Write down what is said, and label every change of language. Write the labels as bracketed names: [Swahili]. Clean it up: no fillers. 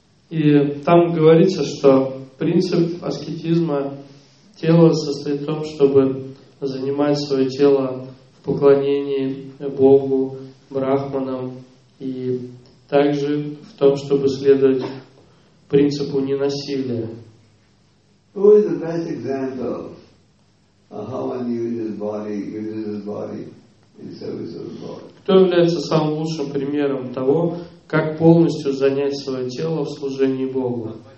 [Russian] И там говорится, что принцип аскетизма тела состоит в том, чтобы занимать свое тело в поклонении Богу, брахманам, и также в том, чтобы следовать принципу ненасилия. [English] Who is the best example of how one uses his body in service of God? [Russian] Кто является самым лучшим примером того, как полностью занять свое тело в служении Богу?